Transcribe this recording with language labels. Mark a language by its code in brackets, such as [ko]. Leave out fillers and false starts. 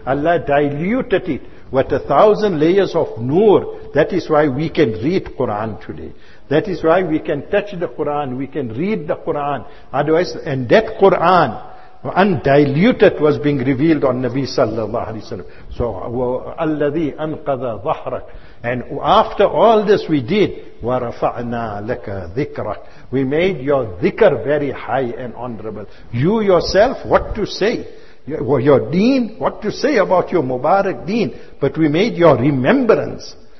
[en] Allah diluted it with 1,000 layers of noor. That is why we can read Quran today. That is why we can touch the Quran, we can read the Quran. Otherwise, and that Quran, undiluted, was being revealed on Nabi sallallahu alayhi wa sallam. [ar] So, الَّذِي أَنْقَذَ ظَهْرَكَ. [en] And after all this we did, [ar] وَرَفَعْنَا لَكَ ذِكْرَكَ. [en] We made your dhikr very high and honorable. You yourself, what to say? Your deen, what to say about your Mubarak deen? But we made your remembrance.